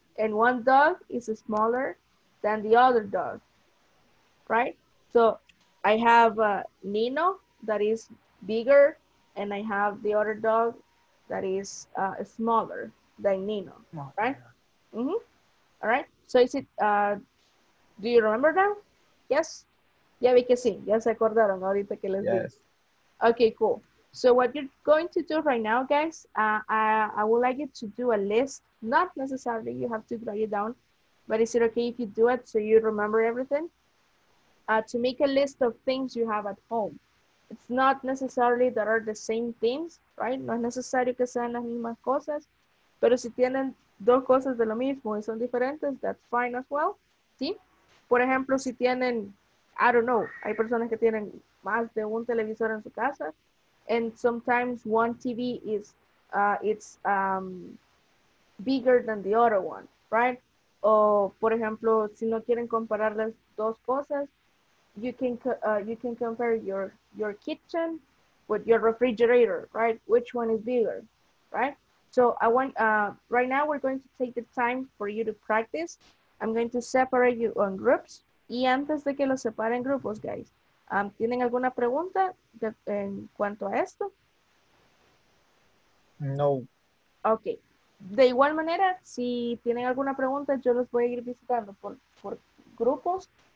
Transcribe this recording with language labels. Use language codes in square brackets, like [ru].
[en] And one dog is smaller than the other dog, right? So I have Nino that is bigger, and I have the other dog that is smaller than Nino, right? Mm-hmm. All right, so is it, do you remember now? Yes? [es] Ya vi que sí, ya se acordaron ahorita que les dije. [en] Okay, cool. So what you're going to do right now, guys, I would like you to do a list. Not necessarily you have to write it down, but is it okay if you do it so you remember everything? To make a list of things you have at home. It's not necessarily that are the same things, right? [es] No es necesario que sean las mismas cosas, pero si tienen dos cosas de lo mismo y son diferentes, [en] that's fine as well, [es] ¿sí? Por ejemplo, si tienen, [en] I don't know, [es] hay personas que tienen más de un televisor en su casa, [en] and sometimes one TV is, it's bigger than the other one, right? [es] O, por ejemplo, si no quieren comparar las dos cosas, [en] you can compare your kitchen with your refrigerator, right? Which one is bigger, right? So I want, right now we're going to take the time for you to practice. I'm going to separate you on groups. [es] Y antes de que los separen grupos, guys, ¿tienen alguna pregunta en cuanto a esto? No. [en] Okay. [es] De igual manera, si tienen alguna pregunta, yo los voy a ir visitando por grupos.